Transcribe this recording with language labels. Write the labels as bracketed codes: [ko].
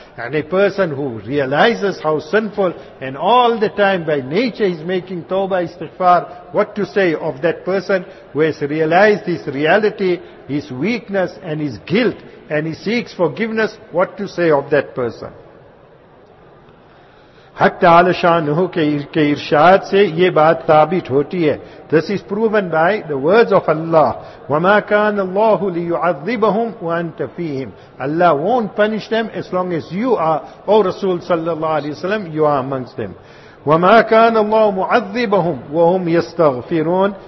[en] And a person who realizes how sinful, and all the time by nature he's making tawbah istighfar, what to say of that person who has realized his reality, his weakness, and his guilt, and he seeks forgiveness, what to say of that person? [ur] حق تعالی شانہو کے ارشاد سے یہ بات ثابت ہوتی ہے. [en] This is proven by the words of Allah. [ar] وَمَا كَانَ اللَّهُ لِيُعَذِّبَهُمْ وَأَنْتَ فِيهِمْ. [en] Allah won't punish them as long as you are, O Rasul صلی اللہ علیہ وسلم, you are amongst them. [ar] وَمَا كَانَ اللَّهُ مُعَذِّبَهُمْ وَهُمْ يَسْتَغْفِرُونَ.